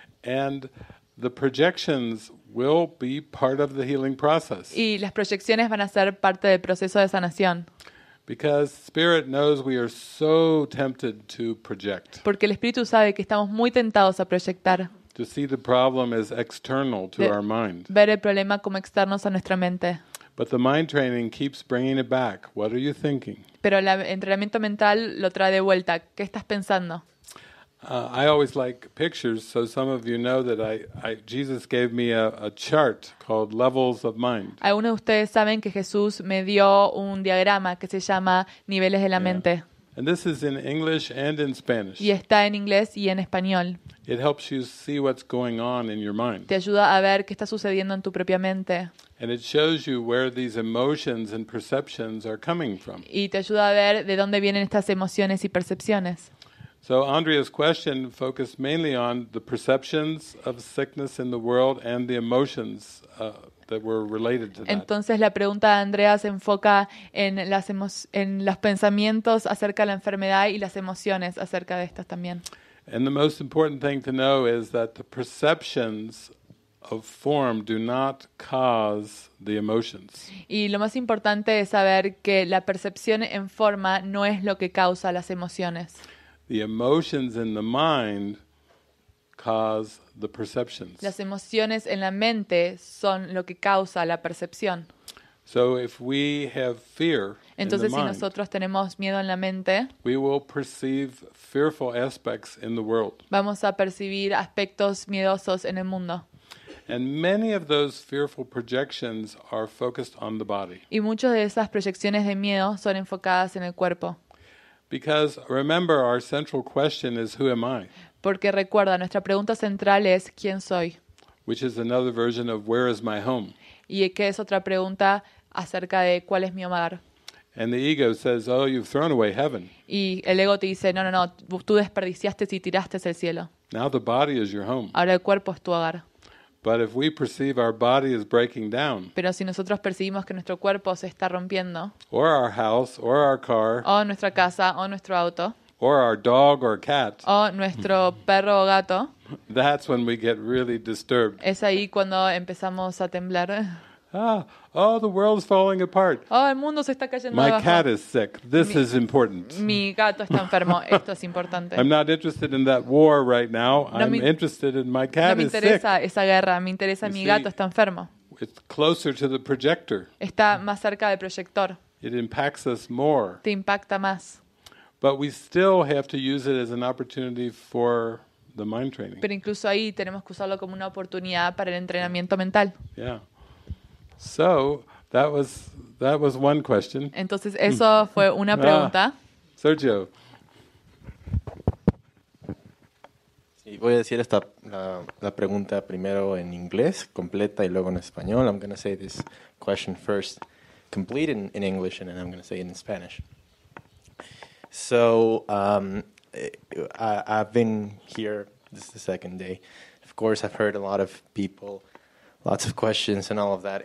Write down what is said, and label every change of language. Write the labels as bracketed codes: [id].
[en] And the projections will be part of the healing process. [es] Y las proyecciones van a ser parte del proceso de sanación. [en] Because spirit knows we are so tempted to project. [es] Porque el espíritu sabe que estamos muy tentados a proyectar. [en] To see the problem as external to our mind. [es] Ver el problema como externos a nuestra mente. [en] But the mind training keeps bringing it back. What are you thinking? [es] Pero el entrenamiento mental lo trae de vuelta. ¿Qué estás pensando? [en] I always like pictures, so some of you know that Jesus gave me a chart called levels of mind. [es] Algunos de ustedes saben que Jesús me dio un diagrama que se llama niveles de la mente. [en] And this is in English and in Spanish. [es] Y está en inglés y en español. [en] It helps you see what's going on in your mind. [es] Te ayuda a ver qué está sucediendo en tu propia mente. [en] And it shows you where these emotions and perceptions are coming from. [es] Y te ayuda a ver de dónde vienen estas emociones y percepciones. [en] So Andrea's question focused mainly on the perceptions of sickness in the world and the emotions that were related to that. [es] Entonces la pregunta de Andrea se enfoca en los pensamientos acerca de la enfermedad y las emociones acerca de estas también. [en] And the most important thing to know is that the perceptions of form do not cause the emotions. [es] Y lo más importante es saber que la percepción en forma no es lo que causa las emociones. [en] The emotions in the mind cause the perceptions. [es] Las emociones en la mente son lo que causa la percepción. [en] So if we have fear in the mind, [es] entonces si nosotros tenemos miedo en la mente, [en] we will perceive fearful aspects in the world. [es] Vamos a percibir aspectos miedosos en el mundo. [en] And many of those fearful projections are focused on the body. [es] Y muchas de esas proyecciones de miedo son enfocadas en el cuerpo. [en] Because remember, our central question is, who am I? [es] Porque recuerda, nuestra pregunta central es, ¿quién soy? [en] Which is another version of, where is my home? [es] Y que es otra pregunta acerca de, ¿cuál es mi hogar? [en] And the ego says, oh, you've thrown away heaven. [es] Y el ego te dice, no, tú desperdiciaste y tiraste el cielo. [en] Now the body is your home. [es] Ahora el cuerpo es tu hogar. [en] But if we perceive our body is breaking down, [es] pero si nosotros percibimos que nuestro cuerpo se está rompiendo, [en] or our house, or our car, [es] o nuestra casa, o nuestro auto, [en] or our dog or cat, [es] o nuestro perro o gato, [en] that's when we get really disturbed. [es] Es ahí cuando empezamos a temblar. [en] Oh, the world's falling apart. [es] Oh, el mundo se está cayendo [en] my [es] abajo. [en] Cat is sick. This is important. [es] Mi gato está enfermo. Esto es importante. [en] I'm not interested in that war right now. I'm interested in my cat is sick. [es] No me interesa esa guerra. Me interesa mi gato está enfermo. [en] It's closer to the projector. [es] Está más cerca del proyector. [en] It impacts us more. [es] Te impacta más. [en] But we still have to use it as an opportunity for the mind training. [es] Pero incluso ahí tenemos que usarlo como una oportunidad para el entrenamiento mental. [en] Yeah. So that was one question. [es] Entonces eso fue una pregunta. Sergio. Y voy a decir esta la pregunta primero en inglés completa y luego en español. [en] I'm going to say this question first complete in English and then I'm going to say it in Spanish. So I've been here, this is the second day. Of course, I've heard a lot of people, lots of questions and all of that.